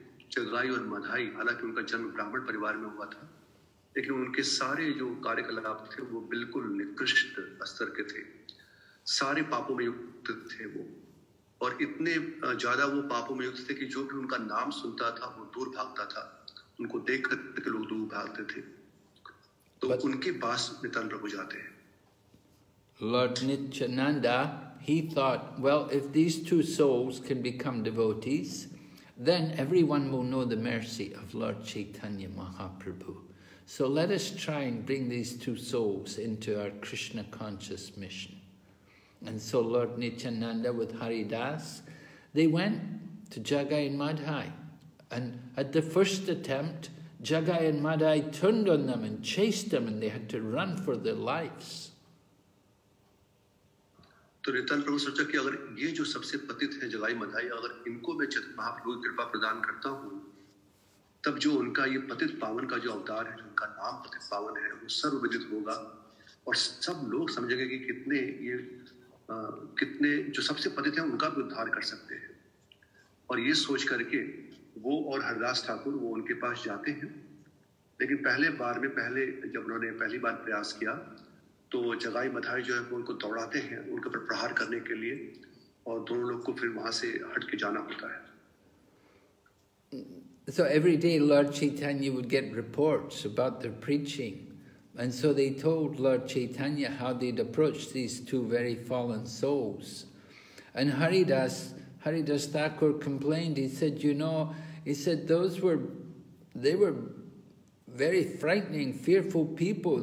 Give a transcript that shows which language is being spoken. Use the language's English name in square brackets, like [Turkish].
[Hindi] चगराई और मधाई हालांकि उनका जन्म ब्राह्मण परिवार में हुआ था लेकिन उनके सारे जो कार्यकलाप थे वो बिल्कुल निकृष्ट स्तर के थे. सारे पापों में युक्त थे वो और इतने ज्यादा वो पापों में युक्त थे कि जो भी उनका नाम सुनता था वो दूर भागता था. उनको देख करके लोग दूर भागते थे तो [English] But [Hindi] उनके पास नितान प्रभु जाते हैं. [English] Lord Nityananda, he thought, well, if these two souls can become devotees, then everyone will know the mercy of Lord Chaitanya Mahaprabhu. So let us try and bring these two souls into our Krishna conscious mission. And so Lord Nityananda with Haridas, they went to Jagai and Madhai. And at the first attempt, Jagai and Madhai turned on them and chased them and they had to run for their lives. [Hindi] तो नित्यानंद प्रभु सोचा कि अगर ये जो सबसे पतित है जगाई मधाई अगर इनको मैं चतुर महाप्रभु की कृपा प्रदान करता हूँ तब जो उनका ये पतित पावन का जो अवतार है उनका नाम पतित पावन है वो सर्वविदित होगा और सब लोग समझेंगे कि कितने ये कितने जो सबसे पतित है उनका भी उद्धार कर सकते हैं. और ये सोच करके वो और हरदास ठाकुर वो उनके पास जाते हैं लेकिन पहली बार प्रयास किया तो जगाई मधाई जो है वो उनको दौड़ाते हैं उनके ऊपर प्रहार करने के लिए और दोनों लोग को फिर वहां से हट के जाना होता है. [English] So every day Lord Chaitanya would get reports about their preaching and so they told Lord Chaitanya how they'd approached these two very fallen souls and Haridas Thakur complained. He said they were very frightening, fearful people.